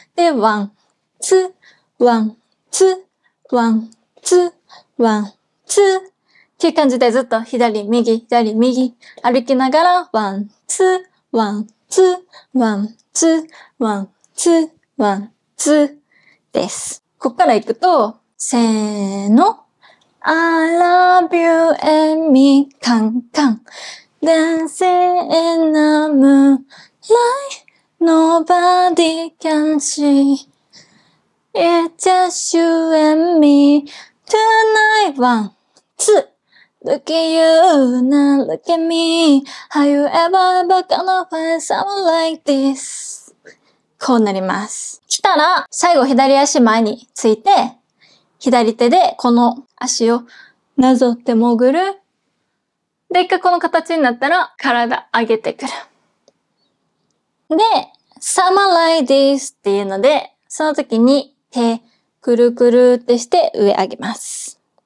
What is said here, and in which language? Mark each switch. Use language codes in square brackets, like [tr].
[en] で、ワン、ツー、ワン、ツー、ワン、ツー、ワン、ツー。 [ja] っていう感じでずっと左、右、左、右。歩きながら、 [en] ワン、ツー、ワン、ツー、 [ja] ワン、ツー、ワン、ツー、ワン、ツー。です。こっから行くと、せーの。 [en] I love you and me, カンカン。 Dancing in the moonlight, nobody can see. It's just you and me, tonight, one, two. Look at you, now look at me. Have you ever, ever gonna find someone like this? [ja] こうなります。来たら、最後左足前について、左手でこの足をなぞって潜る。で、一回この形になったら、体上げてくる。で、 [en] Summer like this [ja] っていうので、その時に手、くるくるってして上上げます。